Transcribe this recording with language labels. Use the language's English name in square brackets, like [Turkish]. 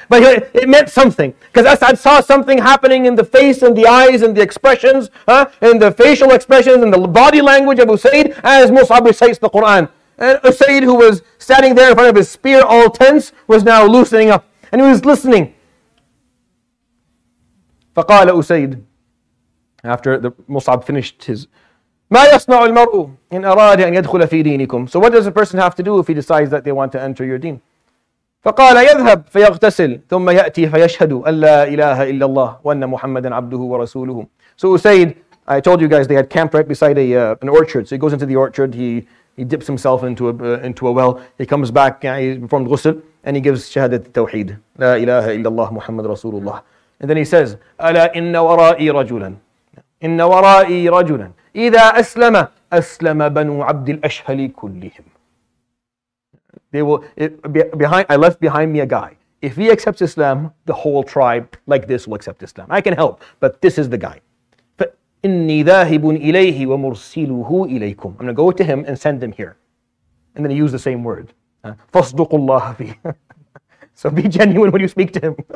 [English] But it meant something. Because As'ad saw something happening in the face and the eyes and the expressions, in the facial expressions and the body language of Usayd as Mus'ab recites the Quran. And Usayd, who was standing there in front of his spear all tense, was now loosening up. And he was listening. [Arabic] فَقَالَ Usayd. [English] After the Mus'ab finished his [Arabic] مَا يَصْنَعُ الْمَرْءُ إِنْ أَرَادِ أَنْ يَدْخُلَ فِي دِينِكُمْ. [English] So what does a person have to do if he decides that they want to enter your deen? [Arabic] فَقَالَ يَذْهَبْ فَيَغْتَسِلْ ثُمَّ يَأْتِي فَيَشْهَدُ أَنْ لَا إِلَهَ إِلَّا اللَّهُ وَأَنَّ مُحَمَّدًا عَبْدُهُ وَرَسُولُهُ. [English] So Usayd, I told you guys they had camped right beside an orchard. So he goes into the orchard, he dips himself into a well, he comes back, he performed ghusl, and he gives shahadat tawheed. [Arabic] لَا إِلَهَ إِلَّا اللَّهُ مُحَمَّدٌ رَسُولُ اللَّهِ. [English] And then he says, [Arabic] أَلَا إِنَّ وَرَائِي رَجُلًا إن ورائي رجلا إذا أسلم أسلم بنو عبد الأشهل كلهم. [English] They will behind. I left behind me a guy. If he accepts Islam, the whole tribe like this will accept Islam. I can help, but this is the guy. [Arabic] فإني ذاهب إليه ومرسله إليكم. [English] I'm going to go to him and send him here. And then he used the same word. [Arabic] فصدق الله فيه. [English] So be genuine when you speak to him.